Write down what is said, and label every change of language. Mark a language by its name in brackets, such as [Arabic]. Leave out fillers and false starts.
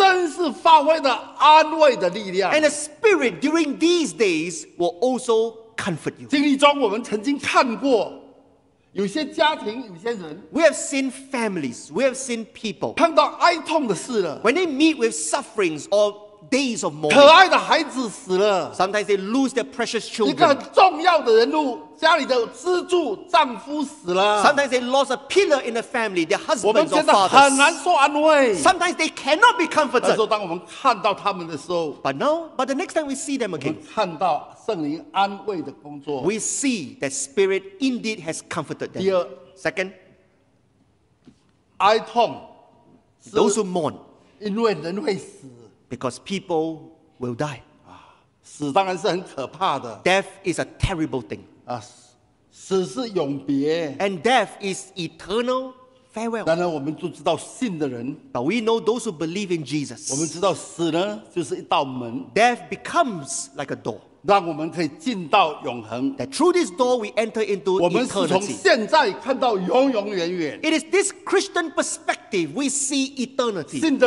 [Chinese] 但圣灵，你住在里面的圣灵也真是发挥了安慰的力量。 [English] And the Spirit during these days will also comfort you. [Chinese] 经历中我们曾经看过。有些家庭，有些人， [English] we have seen families, we have seen people [Chinese] 碰到哀痛的事了， [English] when they meet with sufferings or days of mourning, [Chinese] 可爱的孩子死了， [English] sometimes they lose their precious children, [Chinese] 一个很重要的人物， 家里的支柱丈夫死了， [English] sometimes they lost a pillar in the family, their husbands or fathers, [Chinese] 我们觉得很难受安慰， [English] sometimes they cannot be comforted, [Chinese] 但是当我们看到他们的时候， [English] but now, but the next time we see them again, [Chinese] 我们看到 [English] we see that Spirit indeed has comforted them. [Chinese] 第二, [English] second, [Chinese] 哀痛, [English] those who mourn, [Chinese] 因为人会死, [English] because people will die. [Chinese] 死当然是很可怕的, [English] death is a terrible thing. [Chinese] 死是永别, [English] and death is eternal farewell. [Chinese] 当然我们都知道信的人, [English] but we know those who believe in Jesus. [Chinese] 我们知道死呢就是一道门, [English] death becomes like a door. [Chinese] 让我们可以进到永恒。 [English] That through this door we enter into eternity. [Chinese] 我们是从现在看到永永远远。 [English] It is this Christian perspective we see eternity.